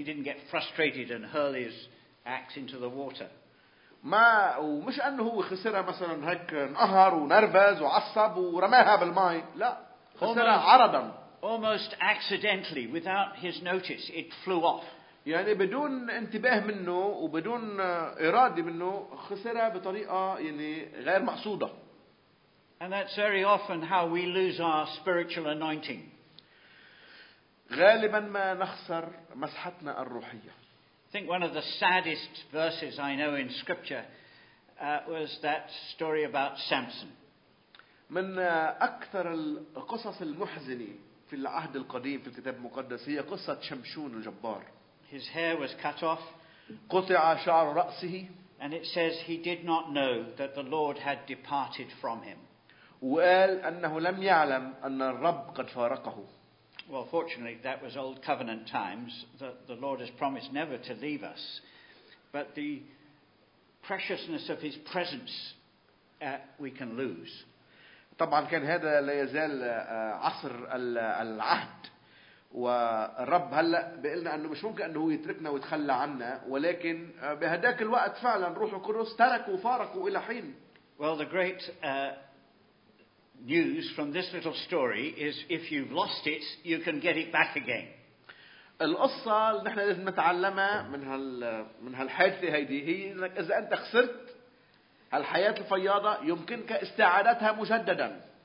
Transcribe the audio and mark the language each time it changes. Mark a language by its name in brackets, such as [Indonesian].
[English] He didn't get frustrated and hurl his axe into the water. [Arabic] ما ومش أنه هو خسرها مثلاً هيك انقهر ونرفز وعصب ورماها بالماء. لا خسرها عرضاً. [English] Almost accidentally, without his notice, it flew off. [Arabic] يعني بدون انتباه منه وبدون إرادة منه خسرها بطريقة يعني غير مقصودة. [English] And that's very often how we lose our spiritual anointing. [Arabic] غالبا ما نخسر مسحتنا الروحية. [English] I think one of the saddest verses I know in scripture was that story about Samson. [Arabic] من أكثر القصص المحزنة في العهد القديم في الكتاب المقدس هي قصة شمشون الجبار. [English] His hair was cut off. [Arabic] قطع شعر رأسه. [English] And it says he did not know that the Lord had departed from him. [Arabic] وقال أنه لم يعلم أن الرب قد فارقه. [English] Well, fortunately, that was old covenant times. The Lord has promised never to leave us. But the preciousness of his presence we can lose. [Arabic] طبعا كان هذا لا يزال عصر العهد والرب هلا بيقلنا انه مش ممكن انه هو يتركنا ويتخلى عنا ولكن بهداك الوقت فعلا روح القدس ترك وفارق الى حين. [English] Well, the great news from this little story is if you've lost it you can get it back again. [Arabic] القصة اللي نحن لازم نتعلمها من هالحادثة هيدي هي انك اذا انت خسرت الحياة الفياضة يمكنك استعادتها مجددا.